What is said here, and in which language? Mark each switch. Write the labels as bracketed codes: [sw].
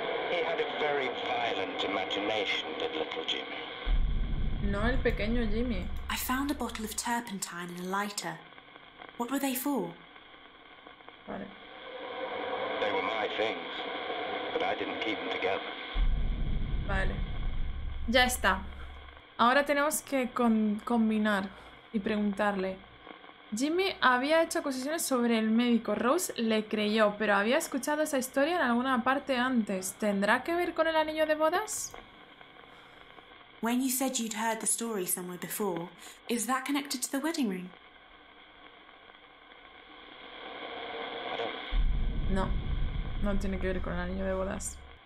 [en] He had a very violent imagination, did little Jimmy. [es] No, el pequeño Jimmy. [en] I found a bottle of turpentine in a lighter. What were they for? [es] Vale. [en] They were my things, but I didn't keep them together. [es] Vale. Ya está. Ahora tenemos que combinar y preguntarle. Jimmy había hecho acusaciones sobre el médico. Rose le creyó, pero había escuchado esa historia en alguna parte antes. ¿Tendrá que ver con el anillo de bodas? [en] When you said you'd heard the story somewhere before, is that connected to the wedding ring? [es] No, no tiene que ver con el anillo de bodas.